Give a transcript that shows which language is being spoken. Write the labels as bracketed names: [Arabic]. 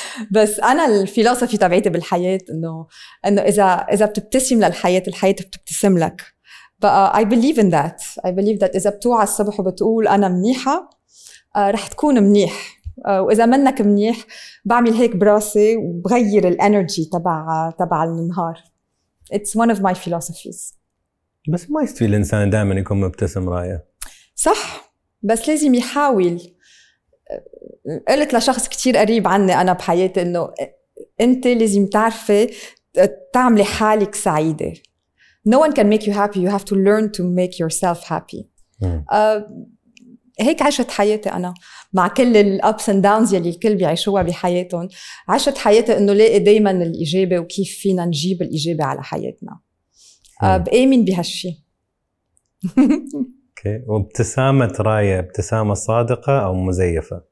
[Arabic] بس أنا الفلسفة تبعيتي بالحياة إنه إذا بتبتسم للحياة، الحياة بتبتسم لك. [English] But I believe in that. I believe that [Arabic] إذا بتوعى الصبح وبتقول أنا منيحة، رح تكون منيح. وإذا منك منيح، بعمل هيك براسي وبغير الانرجي تبع النهار. [English] It's one of my philosophies. [Arabic] بس ما يستوي الإنسان دائما يكون مبتسم رايا. صح، بس لازم يحاول. قلت لشخص كتير قريب عني أنا بحياتي إنه أنت لازم تعرفي تعملي حالك سعيدة. [English] No one can make you happy. You have to learn to make yourself happy. [Arabic] هيك عشت حياتي أنا مع كل الأبس [English] and downs [Arabic] يلي الكل بيعيشوها بحياتهم. عشت حياتي إنه لقي دايما الإجابة وكيف فينا نجيب الإجابة على حياتنا. بآمن بهالشي. [English] Okay. [Arabic] وابتسامة رايا ابتسامة صادقة أو مزيفة؟